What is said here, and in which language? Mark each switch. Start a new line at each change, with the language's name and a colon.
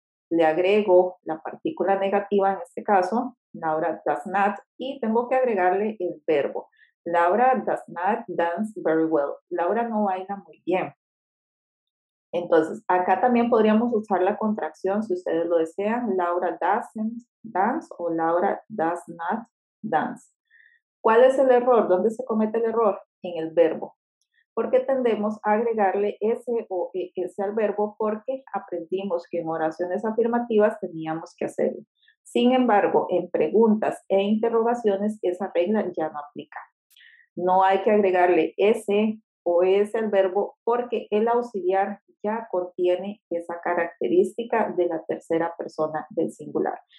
Spanish: Le agrego la partícula negativa en este caso,
English: Laura does not,
Spanish: y tengo que agregarle el verbo.
English: Laura does not dance very well.
Spanish: Laura no baila muy bien. Entonces, acá también podríamos usar la contracción si ustedes lo desean.
English: Laura doesn't dance o Laura does not dance.
Spanish: ¿Cuál es el error? ¿Dónde se comete el error? En el verbo. Porque tendemos a agregarle S o ES al verbo porque aprendimos que en oraciones afirmativas teníamos que hacerlo. Sin embargo, en preguntas e interrogaciones, esa regla ya no aplica. No hay que agregarle S o ES al verbo porque el auxiliar ya contiene esa característica de la tercera persona del singular.